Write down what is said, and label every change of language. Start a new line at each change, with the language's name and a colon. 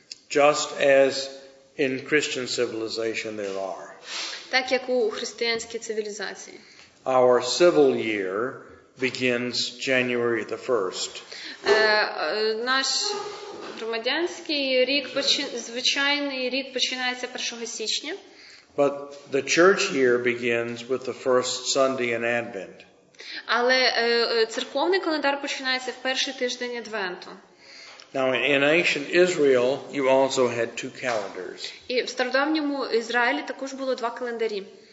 English: Just as in Christian civilization there are.
Ukrainian: Так як у християнській цивілізації.
English: Our civil year begins January the 1st.
Ukrainian: Наш громадянський рік, звичайний рік починається 1 січня.
English: But the church year begins with the first Sunday in Advent.
Ukrainian: Але церковний календар починається в перший тиждень Адвенту.
English: Now in ancient Israel you also had two calendars.
Ukrainian: І в стародавньому Ізраїлі також було два календарі.